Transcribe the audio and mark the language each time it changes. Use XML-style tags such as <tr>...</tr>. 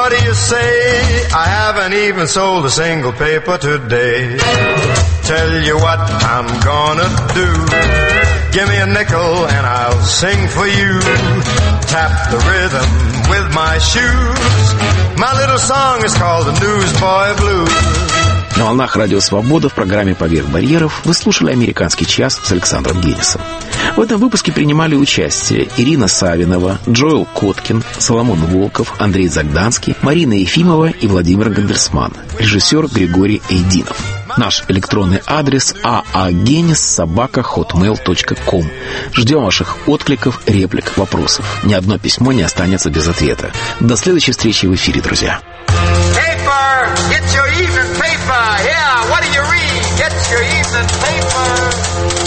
<en>I haven't even sold a single paper today. Tell you what I'm gonna do. Give me a nickel and I'll sing for you. Tap the rhythm with my shoes. My little song is called the Newsboy Blues.</en> <ru>На волнах Радио Свобода в программе «Поверх барьеров» вы слушали «Американский час» с Александром Денисом. В этом выпуске принимали участие Ирина Савинова, Джоэл Коткин, Соломон Волков, Андрей Загданский, Марина Ефимова и Владимир Гандерсман, режиссер Григорий Эйдинов. Наш электронный адрес aagenis@hotmail.com. Ждем ваших откликов, реплик, вопросов. Ни одно письмо не останется без ответа. До следующей встречи в эфире, друзья.</ru> <en>Get your evening paper. Yeah, what do you read? Get your evening paper.</en>